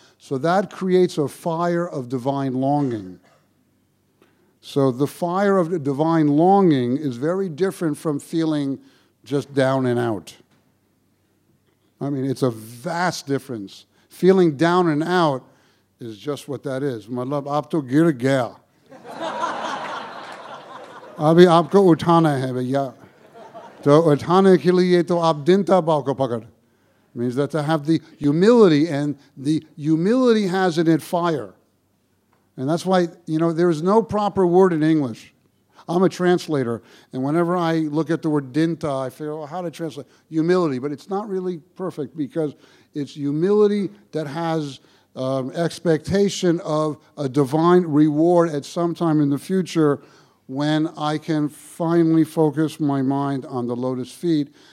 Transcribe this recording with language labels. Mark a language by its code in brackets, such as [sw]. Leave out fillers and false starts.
[en] So that creates a fire of divine longing. So the fire of divine longing is very different from feeling just down and out. I mean, it's a vast difference. Feeling down and out is just what that is. My love, [hi] आप तो गिर गया. अभी आपको उठाना है, भैया. तो उठाने के लिए तो आप दिनता बाओ को पकड़. [en] Means that to have the humility, and the humility has in it fire. And that's why, you know, there is no proper word in English. I'm a translator, and whenever I look at the word dinta, I figure, well, how to translate? Humility, but it's not really perfect because it's humility that has expectation of a divine reward at some time in the future when I can finally focus my mind on the lotus feet.